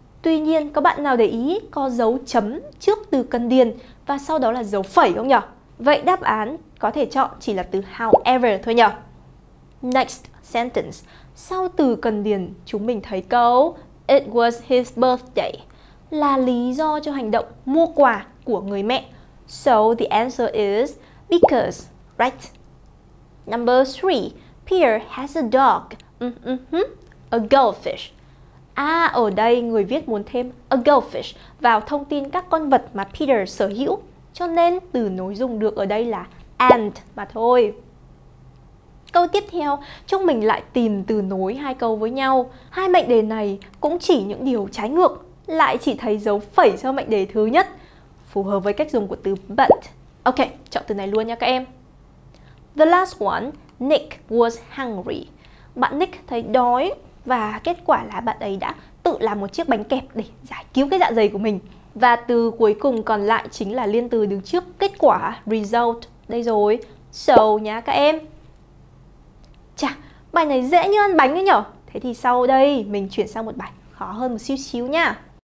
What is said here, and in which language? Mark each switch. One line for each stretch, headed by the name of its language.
Vietnamese: Tuy nhiên, có bạn nào để ý có dấu chấm trước từ cần điền và sau đó là dấu phẩy không nhỉ? Vậy đáp án có thể chọn chỉ là từ however thôi nhỉ?
English: Next sentence.
Vietnamese: Sau từ cần điền, chúng mình thấy câu
English: It was his birthday
Vietnamese: là lý do cho hành động mua quà của người mẹ.
English: So the answer is because, right? Number 3. Pierre has a dog. A goldfish.
Vietnamese: À, ở đây người viết muốn thêm a goldfish vào thông tin các con vật mà Peter sở hữu, cho nên từ nối dùng được ở đây là and mà thôi. Câu tiếp theo, chúng mình lại tìm từ nối hai câu với nhau. Hai mệnh đề này cũng chỉ những điều trái ngược, lại chỉ thấy dấu phẩy cho mệnh đề thứ nhất, phù hợp với cách dùng của từ but. Ok, chọn từ này luôn nha các em.
English: The last one, Nick was hungry.
Vietnamese: Bạn Nick thấy đói và kết quả là bạn ấy đã tự làm một chiếc bánh kẹp để giải cứu cái dạ dày của mình. Và từ cuối cùng còn lại chính là liên từ đứng trước kết quả, result. Đây rồi, so nhá các em. Bài này dễ như ăn bánh ấy nhở? Thế thì sau đây mình chuyển sang một bài khó hơn một xíu xíu nha.